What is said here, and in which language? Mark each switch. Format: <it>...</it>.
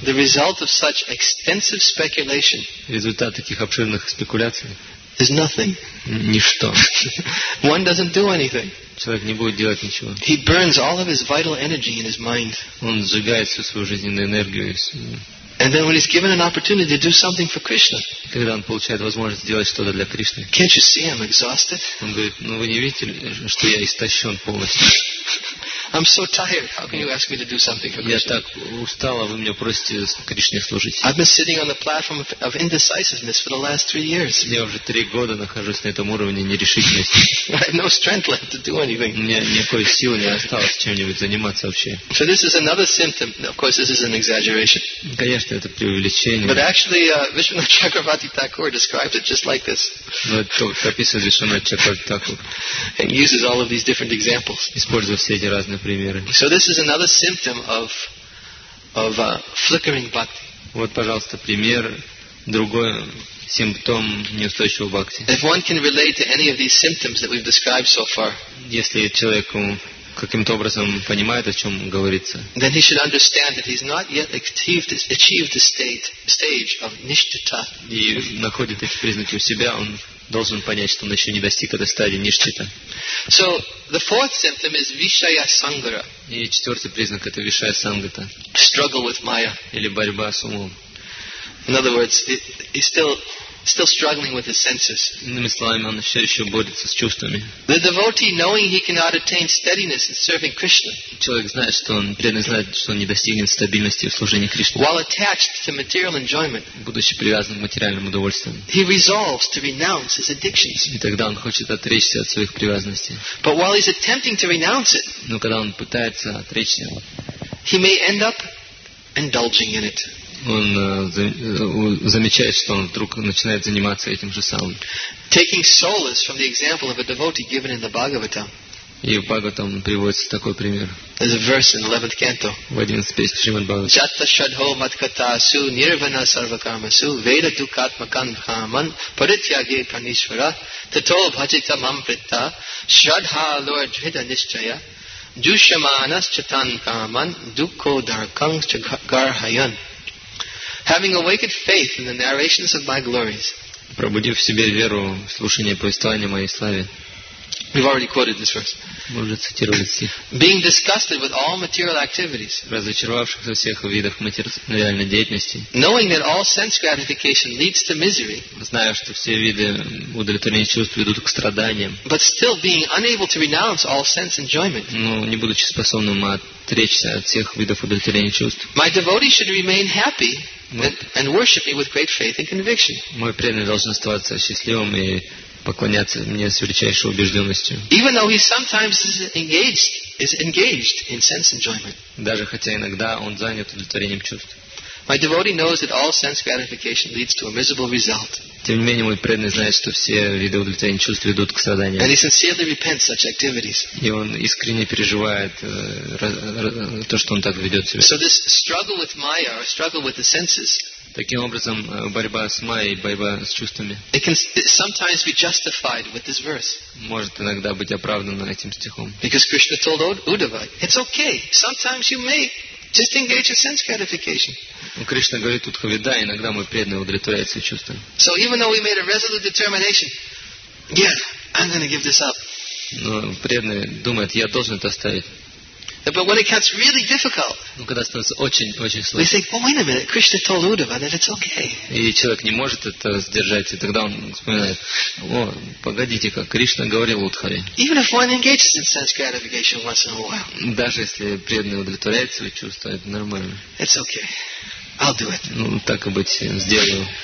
<en>The result of such extensive speculation.</en> <ru>Результат таких обширных спекуляций.</ru> <en>Is nothing.</en> <ru>Ничто.</ru> <en>One doesn't do anything.</en> <ru>Человек не будет делать ничего.</ru> <en>He burns all of his vital energy in his mind.</en> <ru>Он сжигает всю свою жизненную энергию.</ru> <en>And then when he's given an opportunity to do something for Krishna.</en> <ru>Когда он получает возможность сделать что-то для Кришны.</ru> <en>Can't you see I'm exhausted?</en> <ru>Он говорит, вы не видите, что я истощен полностью?</ru> <en>I'm so tired. How can you ask me to do something for Krishna?</en> <ru>Я так устала, вы меня просите Кришне служить.</ru> <en>I've been sitting on the platform of indecisiveness for the last 3 years.</en> <ru>Я уже 3 года нахожусь на этом уровне нерешительности.</ru> <en>I have no strength left to do anything.</en> <ru>У меня никакой силы не осталось чем-нибудь заниматься вообще.</ru> <en>So this is another symptom. Of course, this is an exaggeration.</en> <ru>Конечно, это преувеличение.</ru> <en>But actually, Vishwanath Chakravarti Thakur describes it just like this. He uses all of these different examples.</en> <ru>Используя все эти разные примеры.</ru> <en>So this is another symptom of flickering bhakti.</en> <ru>Вот, пожалуйста, пример другой симптом неустойчивого бхакти.</ru> <en>If one can relate to any of these symptoms that we've described so far,</en> <ru>если человек каким-то образом понимает, о чем говорится,</ru> <en>then he should understand that he's not yet achieved the stage of nishtita.</en> <ru>И находит эти признаки у себя, он должен понять, что он еще не достиг этой стадии ништита.</ru> <en>So the fourth symptom is vishaya sangara.</en> <ru>И четвертый признак это вишая сангата.</ru> <en>Struggle with maya.</en> <ru>Или борьба с умом.</ru> <en>In other words, he's still struggling with his senses.</en> <ru>Иными словами, он еще борется с чувствами.</ru> <en>The devotee, knowing he cannot attain steadiness in serving Krishna.</en> <ru>Человек знает, что он преданный знает, что он не достигнет стабильности в служении Кришне.</ru> <en>While attached to material enjoyment.</en> <ru>Будучи привязан к материальным удовольствиям.</ru> <en>He resolves to renounce his addictions.</en> <ru>И тогда он хочет отречься от своих привязанностей.</ru> <en>But while he's attempting to renounce it.</en> <ru>Но когда он пытается отречься.</ru> <en>He may end up indulging in it.</en> <ru>Он замечает, что он вдруг начинает заниматься этим же самым.</ru> <en>Taking solace from the example of a devotee given in the Bhagavatam.</en> <ru>И в Бхагаватам приводится такой пример.</ru> <en>There's a verse in the 11th canto.</en> <ru>В 11 песне Шримад Бхагаватам.</ru> <sa>Чатта шадхо маткатта су нирвана сарвакама су веда дукатмакан бхаман паритьяге панишвара тато бхаджита мам притта шадха лор джхида нишчая джушамана счатан каман дукко даркан чагархаян.</sa> <en>Having awakened faith in the narrations of my glories.</en> <ru>Пробудив в себе веру в слушание повествования моей славе.</ru> <en>We've already quoted this verse.</en> <ru>Мы уже цитировали стих.</ru> <en>Being disgusted with all material activities.</en> <ru>Разочаровавшись во всех видах материальной деятельности.</ru> <en>Knowing that all sense gratification leads to misery.</en> <ru>Зная, что все виды удовлетворения чувств ведут к страданиям.</ru> <en>But still being unable to renounce all sense enjoyment.</en> <ru>Но не будучи способным отречься от всех видов удовлетворения чувств.</ru> <en>My devotee should remain happy. And worship me with great faith and conviction.</en> <ru>Мой преданный должен оставаться счастливым и поклоняться мне с величайшей убежденностью.</ru> <en>Even though he sometimes is engaged in sense enjoyment.</en> <ru>Даже хотя иногда он занят удовлетворением чувств.</ru> <en>My devotee knows that all sense gratification leads to a miserable result.</en> <ru>Тем не менее, мой преданный знает, что все виды удовлетворения чувств ведут к страданиям.</ru> <en>And he sincerely repents such activities.</en> <ru>И он искренне переживает то, что он так ведет себя.</ru> <en>So this struggle with maya, or struggle with the senses,</en> <ru>таким образом, борьба с майей, борьба с чувствами,</ru> <en>it can sometimes be justified with this verse.</en> <ru>Может иногда быть оправдано этим стихом.</ru> <en>Because Krishna told Uddhava, it's okay, sometimes you may just engage in sense gratification.</en> <ru>Кришна говорит тут ховида, иногда мой преданный удовлетворяет свои чувства.</ru> <en>So even though we made a resolute determination, yeah, I'm going to give this up.</en> <ru>Но преданный думает, я должен это оставить.</ru> <en>But when it gets really difficult,</en> <ru>ну когда становится очень сложно.</ru> <en>We think, well, wait a minute, Krishna told Uddhava that it's okay.</en> <ru>И человек не может это сдержать, и тогда он вспоминает, о, погодите, как Кришна говорил Удхаве.</ru> <en>Even if one engages in sense gratification once in a while,</en> <ru>даже если преданный удовлетворяет свои чувства, это нормально.</ru> <en>It's okay. I'll do it.</en> <ru>Ну, так и быть, сделаю.</ru>